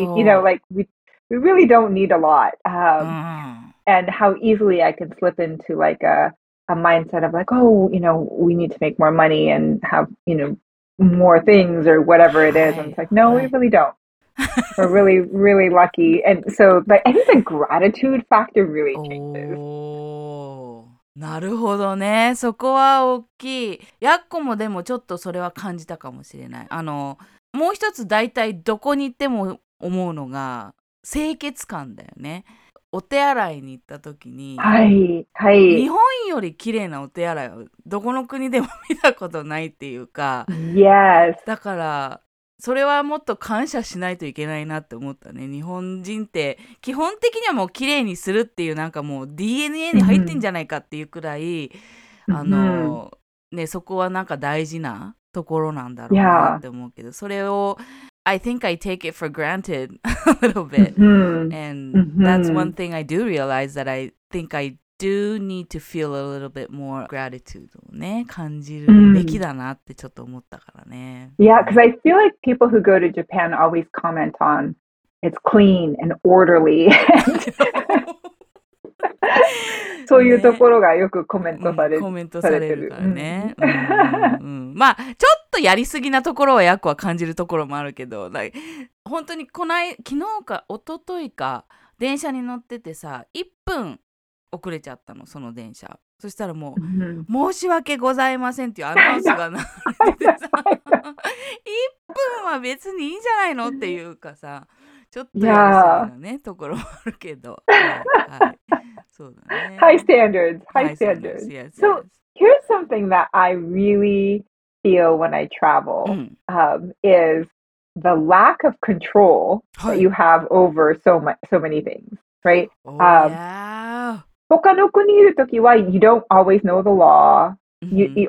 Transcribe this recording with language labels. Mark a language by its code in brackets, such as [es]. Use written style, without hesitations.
[en] You know, like, we really don't need a lot. And how easily I can slip into like a mindset of like, oh, you know, we need to make more money and have, you know, more things or whatever it is. And it's like, no, we really don't. We're really, really lucky. And so, but I think the gratitude factor really changes. [ja] なるほどね、そこは大きい。やっこもでもちょっとそれは感じたかもしれない。あの、もう一つ、大体どこに行っても思うのが清潔感だよね。お手洗いに行った時に、はいはい、日本より綺麗なお手洗いをどこの国でも見たことないっていうか、 [en] yes. [ja] だからそれはもっと感謝しないといけないなって思ったね。日本人って基本的にはもう綺麗にするっていう、なんかもう DNA に入ってんじゃないかっていうくらい、mm-hmm. あの、mm-hmm. ね、そこはなんか大事なところなんだろうなって思うけど、 [en] yeah. [ja] それを [en] I think I take it for granted a little bit. Mm-hmm. And mm-hmm. that's one thing I do realize that I think I do need to feel a little bit more gratitude. [ja] ね、感じるべきだなってちょっと思ったからね。 [en] Yeah, because I feel like people who go to Japan always comment on it's clean and orderly. [ja] そういうところがよくコメントされ、ね、コメントされるからね。まあちょっとやりすぎなところはやっこは感じるところもあるけど、なんか本当にこない昨日か一昨日か電車に乗っててさ、1分遅れちゃったの、その電車。そしたらもう、うん、申し訳ございませんっていうアナウンスが流れてさ1分は別にいいんじゃないのっていうかさ、ちょっとやりすぎなね、yeah. ところもあるけど、はい、そうだね、 [en] High standards. Yes, yes. So here's something that I really feel when I travel、is the lack of control、はい、that you have over so many things, right? Oh, yeah. [ja] 他の国にいるときは [en] you don't always know the law、mm-hmm.